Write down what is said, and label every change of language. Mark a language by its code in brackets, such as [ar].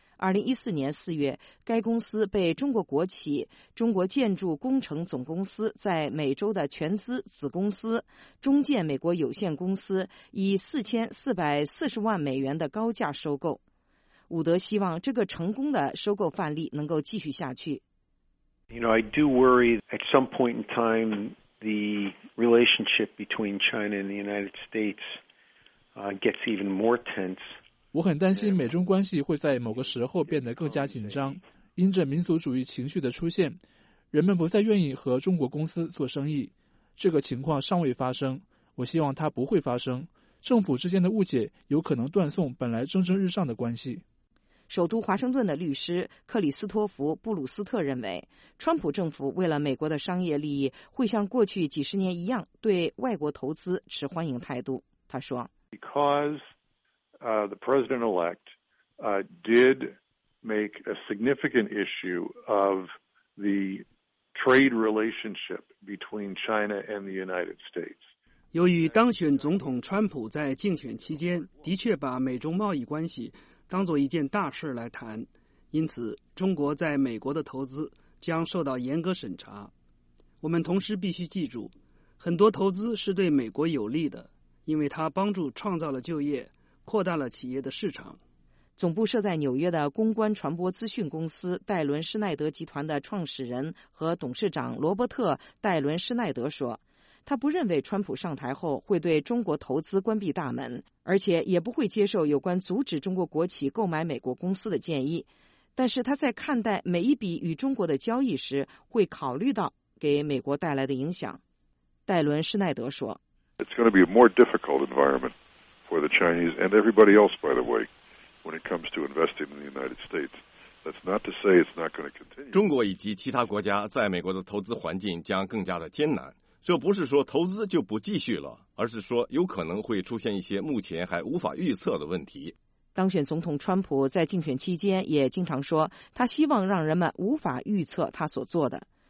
[zh] 2014年4月，该公司被中国国企中国建筑工程总公司在美洲的全资子公司中建美国有限公司以$4,440万的高价收购。伍德希望这个成功的收购范例能够继续下去。 [en] You know, I do worry at some point in time. The relationship between China and the United States gets even more tense. [zh] 我很担心美中关系会在某个时候变得更加紧张，因着民族主义情绪的出现，人们不再愿意和中国公司做生意。这个情况尚未发生，我希望它不会发生。政府之间的误解有可能断送本来蒸蒸日上的关系。首都华盛顿的律师克里斯托弗·布鲁斯特认为，川普政府为了美国的商业利益，会像过去几十年一样对外国投资持欢迎态度。他说 [en] ：“Because the president-elect did make a significant issue of the trade relationship between China and the United States.” [zh] 由于当选总统川普在竞选期间的确把美中贸易关系当作一件大事来谈，因此中国在美国的投资将受到严格审查。我们同时必须记住，很多投资是对美国有利的，因为它帮助创造了就业，扩大了企业的市场。总部设在纽约的公关传播资讯公司戴伦·施奈德集团的创始人和董事长罗伯特·戴伦·施奈德说，他不认为川普上台后会对中国投资关闭大门，而且也不会接受有关阻止中国国企购买美国公司的建议。但是他在看待每一笔与中国的交易时，会考虑到给美国带来的影响。拜伦·施奈德说。 [en] It's going to be a more difficult environment for the Chinese and everybody else, by the way, when it comes to investing in the United States. That's not to say it's not going to continue. [zh] 中国以及其他国家在美国的投资环境将更加的艰难。这不是说投资就不继续了，而是说有可能会出现一些目前还无法预测的问题。当选总统川普在竞选期间也经常说，他希望让人们无法预测他所做的。